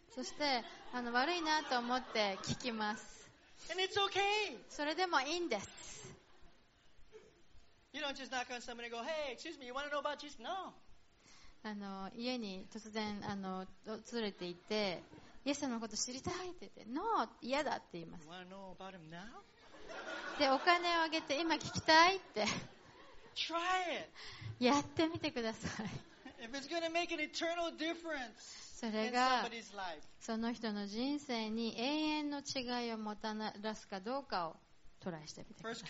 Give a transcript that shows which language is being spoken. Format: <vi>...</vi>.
<ja>そして、悪いなと思って聞きます。</ja> <en>And it's okay.</en> <ja>それでもいいんです。</ja> <en>You don't just knock on somebody and go, "Hey, excuse me. You want to know about Jesus?" No.</en> <ja>家に突然連れて行って、イエス様のこと知りたいって言って、No, 嫌だって言います。</ja> <en>You want to know about him now?</en> <ja>でお金をあげて今聞きたいって</ja> <en>Try it.</en> <ja>やってみてください。</ja> <en>If it's going to make an eternal difference in somebody's life.</en> <ja>それがその人の人生に永遠の違いをもたらすかどうかをトライしてみてください。</ja>